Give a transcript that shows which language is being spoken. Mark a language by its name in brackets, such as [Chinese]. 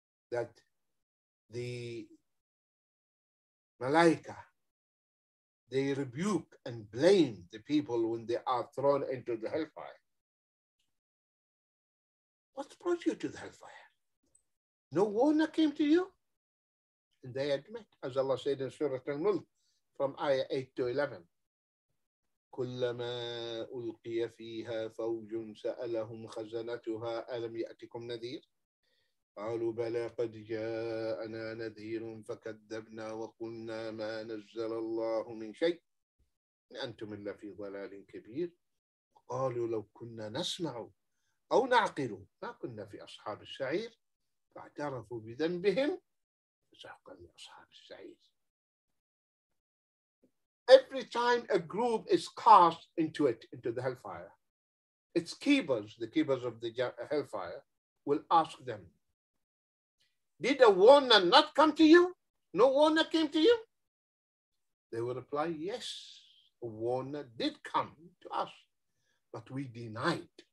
[English] That the malaika, they rebuke and blame the people when they are thrown into the hellfire. What brought you to the hellfire? No warning came to you? And they admit, as Allah said in Surah Al-Mulk, from ayah 8 to 11. [Arabic] كُلَّمَا أُلْقِيَ فِيهَا فَوْجٌ سَأَلَهُمْ خَزَنَتُهَا أَلَمْ يَأْتِكُمْ نَذِيرٌ قالوا بلى قد جاءنا نذير فكذبنا وقلنا ما نزل الله من شيء إن أنتم إلا في ضلال كبير قالوا لو كنا نسمع أو نعقل ما كنا في أصحاب السعير فاعترفوا بذنبهم فسحقا لأصحاب السعير. [English] Every time a group is cast into it, into the hellfire, its keepers, the keepers of the hellfire, will ask them, did a warner not come to you? No warner came to you? They will reply, yes, a warner did come to us, but we denied.